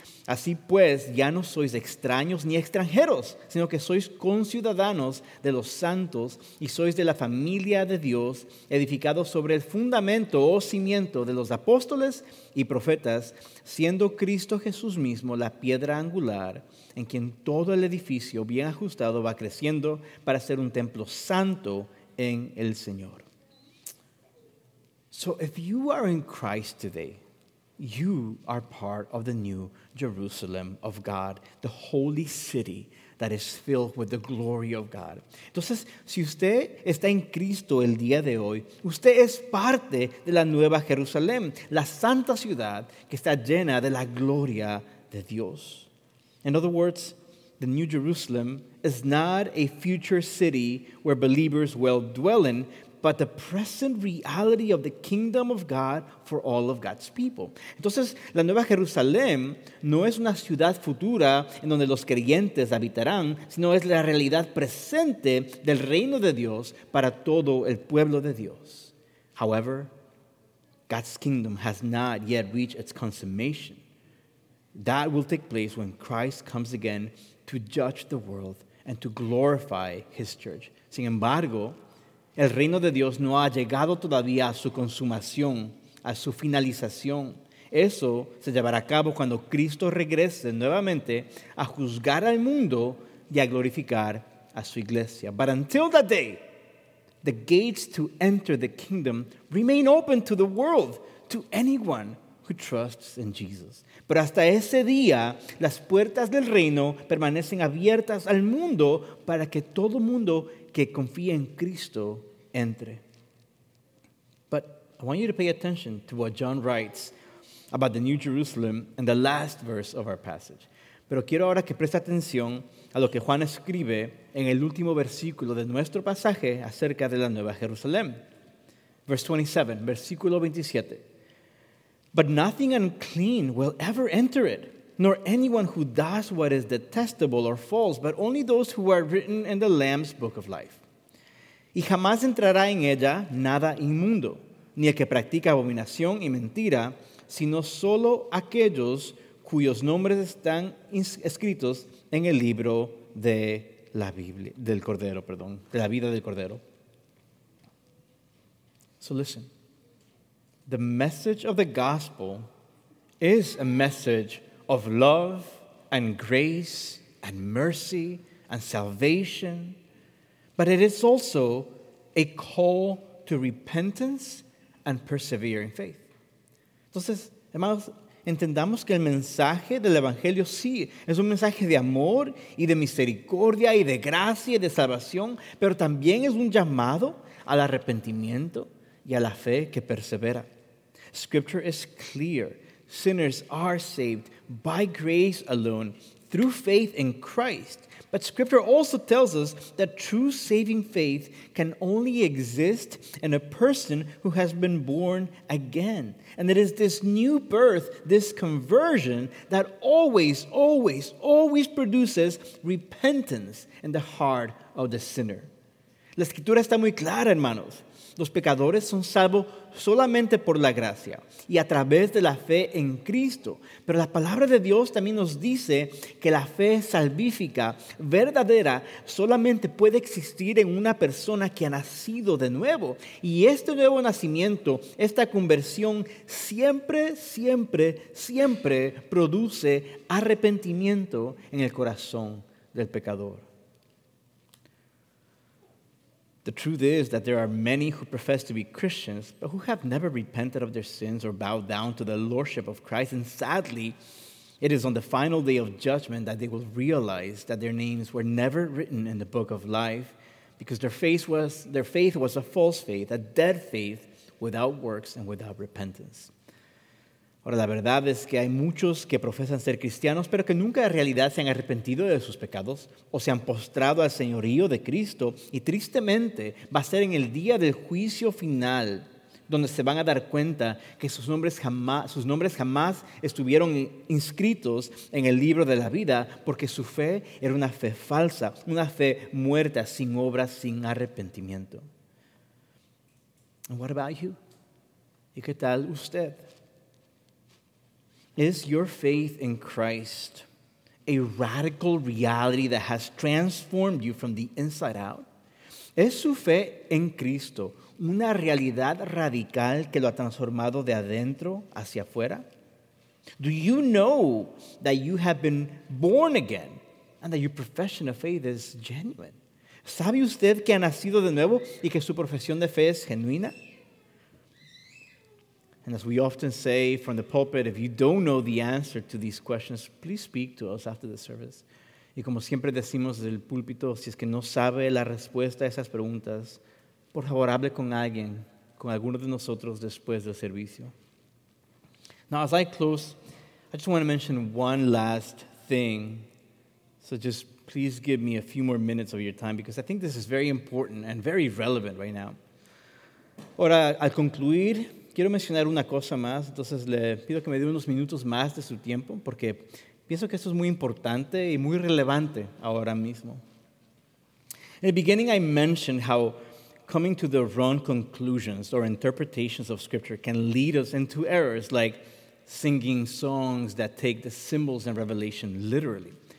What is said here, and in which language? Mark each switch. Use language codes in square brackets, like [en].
[es] Así pues, ya no sois extraños ni extranjeros, sino que sois conciudadanos de los santos y sois de la familia de Dios, edificados sobre el fundamento o cimiento de los apóstoles y profetas, siendo Cristo Jesús mismo la piedra angular, en quien todo el edificio bien ajustado va creciendo para ser un templo santo en el Señor. [en] So if you are in Christ today, you are part of the new Jerusalem of God, the holy city that is filled with the glory of God. [es] Entonces, si usted está en Cristo el día de hoy, usted es parte de la nueva Jerusalén, la santa ciudad que está llena de la gloria de Dios. [en] In other words, the New Jerusalem is not a future city where believers will dwell in, but the present reality of the kingdom of God for all of God's people. [es] Entonces, la Nueva Jerusalén no es una ciudad futura en donde los creyentes habitarán, sino es la realidad presente del reino de Dios para todo el pueblo de Dios. [en] However, God's kingdom has not yet reached its consummation. That will take place when Christ comes again to judge the world and to glorify his church. [es] Sin embargo, el reino de Dios no ha llegado todavía a su consumación, a su finalización. Eso se llevará a cabo cuando Cristo regrese nuevamente a juzgar al mundo y a glorificar a su iglesia. [en] But until that day, the gates to enter the kingdom remain open to the world, to anyone who trusts in Jesus. [es] Pero hasta ese día, las puertas del reino permanecen abiertas al mundo para que todo mundo que confíe en Cristo entre. [en] But I want you to pay attention to what John writes about the New Jerusalem in the last verse of our passage. [es] Pero quiero ahora que preste atención a lo que Juan escribe en el último versículo de nuestro pasaje acerca de la Nueva Jerusalén. [en] Verse 27, [es] versículo 27. [en] "But nothing unclean will ever enter it, nor anyone who does what is detestable or false, but only those who are written in the Lamb's Book of Life. [es] Y jamás entrará en ella nada inmundo, ni el que practica abominación y mentira, sino solo aquellos cuyos nombres están escritos en el libro de la Biblia, del Cordero, perdón, de la vida del Cordero." [en] So listen. The message of the gospel is a message of love and grace and mercy and salvation, but it is also a call to repentance and persevering faith. [es] Entonces, Hermanos, entendamos que el mensaje del Evangelio sí es un mensaje de amor y de misericordia y de gracia y de salvación, pero también es un llamado al arrepentimiento y a la fe que persevera. [en] Scripture is clear. Sinners are saved by grace alone, through faith in Christ. But Scripture also tells us that true saving faith can only exist in a person who has been born again. And it is this new birth, this conversion, that always, always, always produces repentance in the heart of the sinner. [es] La Escritura está muy clara, hermanos. Los pecadores son salvos solamente por la gracia y a través de la fe en Cristo. Pero la palabra de Dios también nos dice que la fe salvífica, verdadera, solamente puede existir en una persona que ha nacido de nuevo. Y este nuevo nacimiento, esta conversión, siempre, siempre, siempre produce arrepentimiento en el corazón del pecador. [en] The truth is that there are many who profess to be Christians, but who have never repented of their sins or bowed down to the lordship of Christ. And sadly, it is on the final day of judgment that they will realize that their names were never written in the book of life, because their faith was a false faith, a dead faith, without works and without repentance. [es] Ahora, la verdad es que hay muchos que profesan ser cristianos, pero que nunca en realidad se han arrepentido de sus pecados o se han postrado al señorío de Cristo. Y tristemente, va a ser en el día del juicio final donde se van a dar cuenta que sus nombres jamás estuvieron inscritos en el libro de la vida, porque su fe era una fe falsa, una fe muerta, sin obras, sin arrepentimiento. [en] And what about you? [es] ¿Y qué tal usted? [en] Is your faith in Christ a radical reality that has transformed you from the inside out? [es] ¿Es su fe en Cristo una realidad radical que lo ha transformado de adentro hacia afuera? [en] Do you know that you have been born again and that your profession of faith is genuine? [es] ¿Sabe usted que ha nacido de nuevo y que su profesión de fe es genuina? [en] And as we often say from the pulpit, if you don't know the answer to these questions, please speak to us after the service. [es] Y como siempre decimos desde el púlpito, si es que no sabe la respuesta a esas preguntas, por favor hable con alguien, con alguno de nosotros después del servicio. [en] Now, as I close, I just want to mention one last thing. So just please give me a few more minutes of your time, because I think this is very important and very relevant right now. [es] Ahora, al concluir, quiero mencionar una cosa más, entonces le pido que me dé unos minutos más de su tiempo, porque pienso que esto es muy importante y muy relevante ahora mismo. [en] In the beginning, I mentioned how coming to the wrong conclusions or interpretations of Scripture can lead us into errors, like singing songs that take the symbols in Revelation literally.